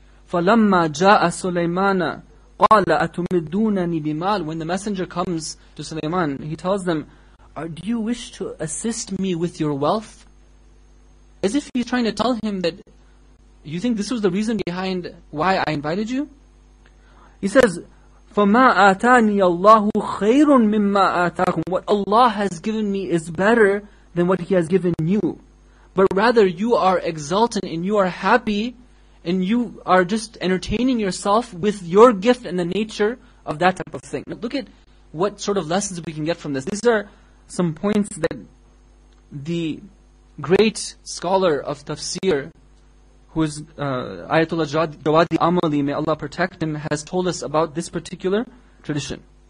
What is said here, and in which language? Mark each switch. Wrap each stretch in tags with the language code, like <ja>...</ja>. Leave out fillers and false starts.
<ar>فَلَمَّا جَاءَ سُلَيْمَانَ قَالَ أَتُمِدُّونَنِي بِمَالٍ.</ar> <en>When the messenger comes to Sulaiman, he tells them, do you wish to assist me with your wealth? As if he's trying to tell him that, you think this was the reason behind why I invited you? He says,</en> <ar>فَمَا آتَانِيَ اللَّهُ خَيْرٌ مِمَّا آتَاكُمْ.</ar> <en>What Allah has given me is better than what He has given you. But rather, you are exultant and you are happy and you are just entertaining yourself with your gift and the nature of that type of thing. Now look at what sort of lessons we can get from this. These are some points that the great scholar of tafsir, who is Ayatollah Jawadi Amali, may Allah protect him, has told us about this particular tradition.</en>